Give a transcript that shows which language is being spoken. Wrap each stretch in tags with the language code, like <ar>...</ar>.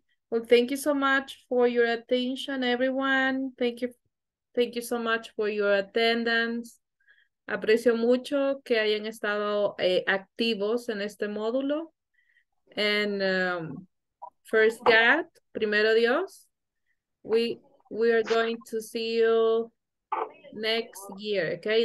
<en>Well, thank you so much for your attention, everyone. Thank you so much for your attendance.</en> <es>Aprecio mucho que hayan estado activos en este módulo.</es> <en>And first God,</en> <es>primero Dios,</es> <en>we are going to see you next year, okay?</en>